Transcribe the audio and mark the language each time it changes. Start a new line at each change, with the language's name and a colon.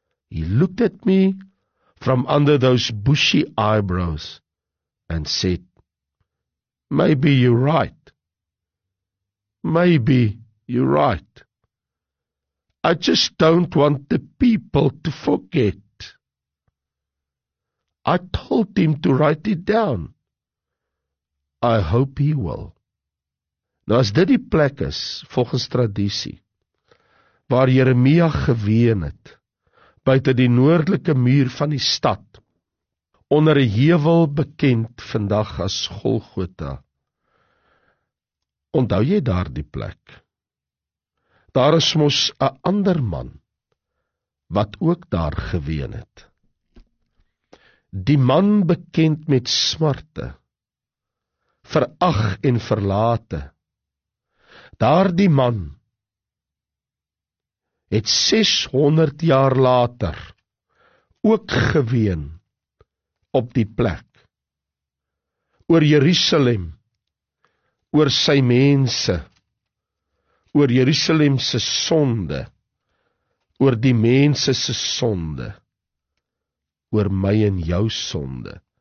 English: He looked at me from under those bushy eyebrows and said, maybe you're right. Maybe you're right. I just don't want the people to forget. I told him to write it down. I hope he will.
Afrikaans: Nou as dit die plek is, volgens tradisie, waar Jeremia geween het, buite die noordelike muur van die stad, onder 'n heuwel bekend vandag as Golgotha. Onthou jy daar die plek? Daar is mos 'n ander man wat ook daar geween het. Die man bekend met smarte, verag en verlate. Daar die man het 600 jaar later ook geween op die plek, oor Jerusalem, oor sy mense, oor Jerusalem se sonde, oor die mense se sonde, oor my en jou sonde.